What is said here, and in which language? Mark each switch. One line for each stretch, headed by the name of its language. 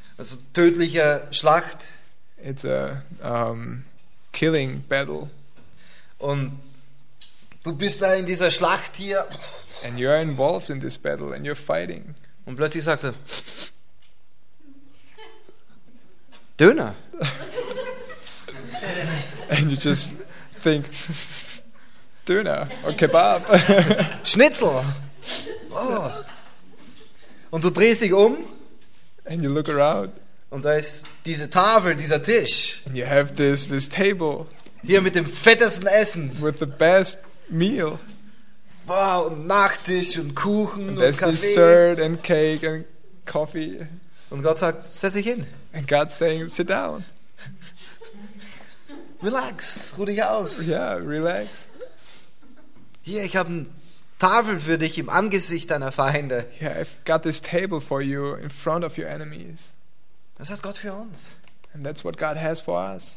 German: Also tödlicher Schlacht.
English: It's a killing battle.
German: Und du bist da in dieser Schlacht hier.
English: And you're involved in this battle and you're fighting.
German: Und plötzlich sagst du, Döner.
English: And you just think, Döner or Kebab.
German: Schnitzel. Oh. Und du drehst dich um.
English: And you look around.
German: Und da ist diese Tafel, dieser Tisch.
English: And you have this table.
German: Hier mit dem fettesten Essen.
English: With the best meal.
German: Wow, und Nachtisch und Kuchen und Kaffee.
English: There's dessert and cake and coffee.
German: Und Gott sagt, setz dich hin.
English: And God's saying, sit down.
German: Relax, ruh dich aus.
English: Yeah, relax.
German: Hier, ich habe eine Tafel für dich im Angesicht deiner Feinde.
English: Yeah, I've got this table for you in front of your enemies.
German: Das hat Gott für uns.
English: And that's what God has for us.